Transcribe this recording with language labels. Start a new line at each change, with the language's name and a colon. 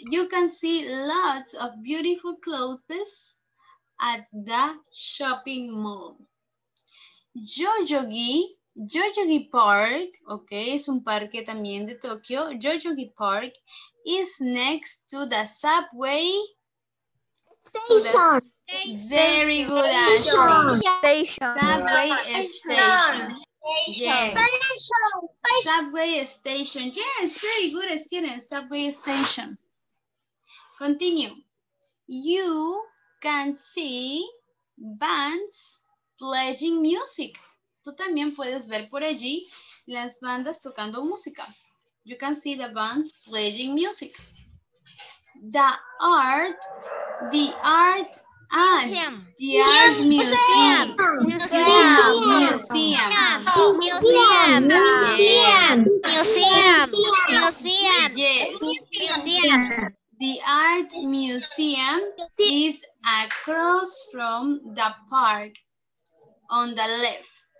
English: You can see lots of beautiful clothes at the shopping mall.
Spanish: Jojogi Park, okay, es un parque también de Tokio.
English: Jojogi Park is next to the subway station. Very good, Ashley. Station. Subway station. Yes. Subway station. Yes, very good, student. Subway station. Continue. You can see bands playing music.
Spanish: tú también puedes ver por allí las bandas tocando música.
English: You can see the bands playing music. The art museum is across from the park on the left.